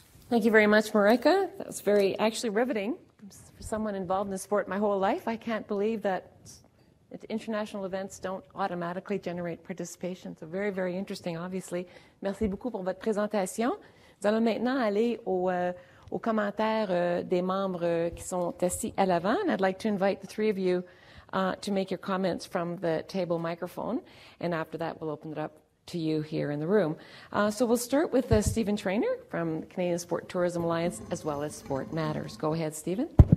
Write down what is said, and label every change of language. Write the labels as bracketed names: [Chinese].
[English] Thank you. Thank you very much, Marijke. That was very actually riveting. For someone involved in the sport my whole life, I can't believe that international events don't automatically generate participation. So very, very interesting, obviously. [French] Merci beaucoup pour votre présentation. Nous allons maintenant aller aux commentaires des membres qui sont assis à l'avant. [English] I'd like to invite the three of you to make your comments from the table microphone, and after that we'll open it up to you here in the room. So we'll start with Stephen Trainer from the Canadian Sport Tourism Alliance, as well as Sport Matters. Go ahead, Stephen.